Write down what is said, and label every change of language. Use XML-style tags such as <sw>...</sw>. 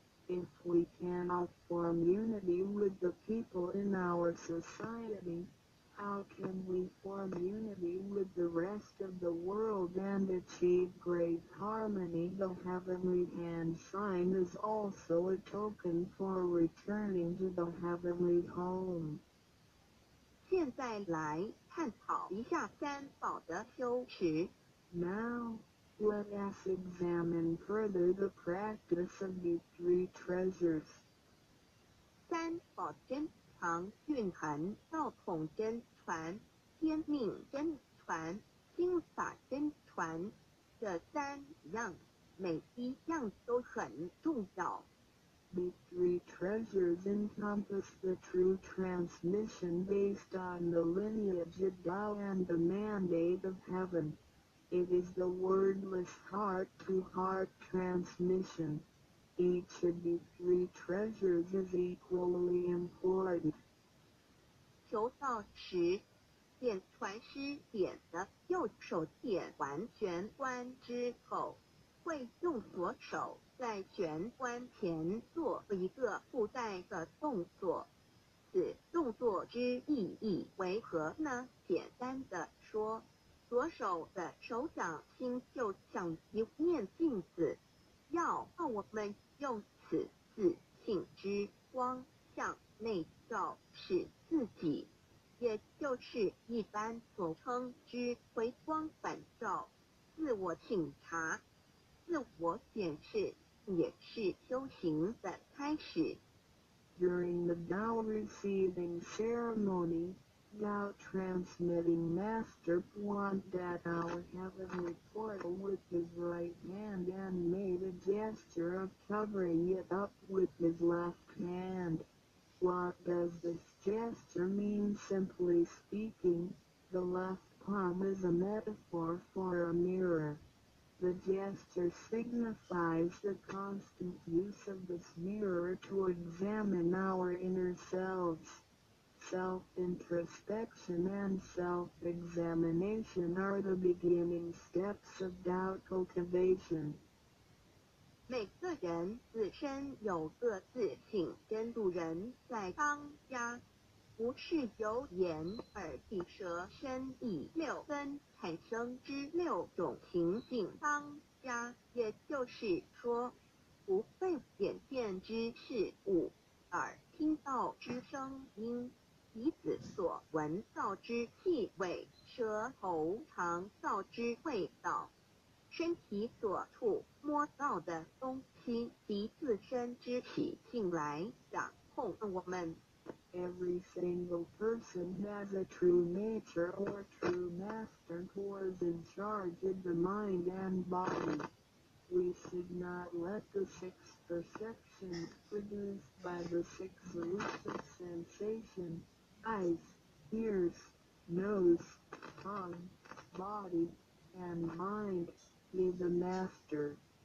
<en>If we cannot form unity with the people in our society, how can we form unity with the rest of the world and achieve great harmony? The heavenly hand sign is also a token for returning to the heavenly home.</en> <zh>现在来探讨一下三宝的修持。</zh> <en>Now, let us examine further the practice of the three treasures.</en> <zh>三宝真藏蕴含道统真传、天命真传、心法真传这三样，每一样都很重要。</zh> <en>The three treasures encompass the true transmission based on the lineage of Tao and the mandate of heaven. It is the wordless heart-to-heart transmission. Each of the three treasures is equally important.</en> <zh>求道时，点传师点的右手点完玄关之后，会用左手在玄关前做一个附带的动作，此动作之意义为何呢？简单的说，左手的手掌心就像一面镜子，要让我们用此自信之光向内照视自己，也就是一般所称之回光返照、自我省察、自我检视，也是修行的开始。</zh> <en>During the Tao receiving ceremony, Tao transmitting master pointed at our heavenly portal with his right hand and made a gesture of covering it up with his left hand. What does this gesture mean? Simply speaking, the left palm is a metaphor for a mirror. The gesture signifies the constant use of this mirror to examine our inner selves. Self-introspection and self-examination are the beginning steps of Tao cultivation.</en> <zh>每个人自身有个自省真度人在当家，不是由眼、耳、鼻、舌、身、意六根产生之六种情境当家，也就是说，不被眼见之事物、耳听到之声音、鼻子所闻到之气味、舌头尝到之味道、身体所触摸到的东西，及自身之体性来掌控我们。</zh> <en>Every single person has a true nature or true master who is in charge of the mind and body. We should not let the six perceptions produced by the six elusive sensation, eyes, ears, nose, tongue, body, and mind, be the master.</en>